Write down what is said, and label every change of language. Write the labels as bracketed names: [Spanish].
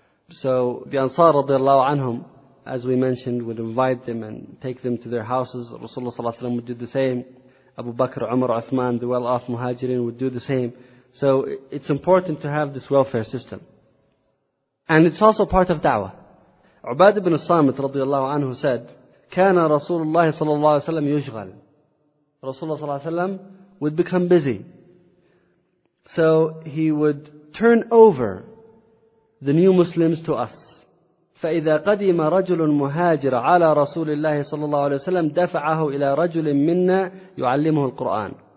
[English] So the Ansar radiallahu anhum, as we mentioned, would invite them and take them to their houses. Rasulullah sallallahu alayhi wa sallam would do the same. Abu Bakr, Umar, Uthman, the well-off muhajirin would do the same. So it's important to have this welfare system. And it's also part of da'wah. [Arabic] Ubad ibn Samit radiallahu anhu said, كَانَ رَسُولُ اللَّهِ صَلَى اللَّهِ وَسَلَّمْ يُشْغَلْ. [English] Rasulullah sallallahu alayhi wa sallam would become busy. So he would turn over the new Muslims to us. [Arabic] فَإِذَا قَدِيمَ رَجُلٌ مُهَاجِرَ عَلَى رَسُولِ اللَّهِ صَلَى اللَّهُ عَلَيْهِ وَسَلَّمْ دَفَعَهُ إِلَى رَجُلٍ مِّنَّا يُعَلِّمُهُ الْقُرْآنَ.